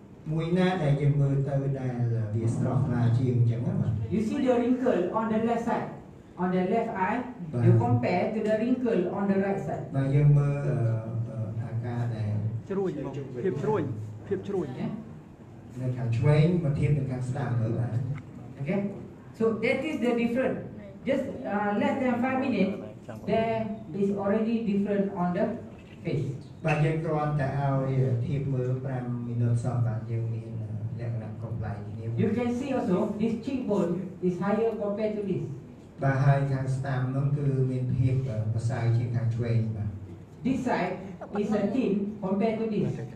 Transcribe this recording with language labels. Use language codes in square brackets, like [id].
[km] មួយណាដែលយើងមើលទៅដែលវាស្រស់ថ្លាជាងអញ្ចឹងណាបាទ [en] You see the wrinkle on the left side. On the left eye, you compare to the wrinkle on the right side. [km] បាទយើងមើលអាការៈដែល ជ្រួញភាពជ្រួញភាពជ្រួញ នៅខាងឆ្វេងមកធៀបនឹងខាងស្ដាំមើលបាទ [en] Okay so that is the different just less than 5 minutes there is already different on the fish [km] បាទយើងគ្រាន់តែឲ្យធៀបមើល5មីនិតសោះបាទយើងមានលក្ខណៈ comply នេះ [en] You can see also this cheekbone is higher compared to this [km] បាទហើយខាងស្ដាំនោះគឺមានភាពប្រសើរជាងខាងឆ្វេងបាទ [en] This side is a thin compared to this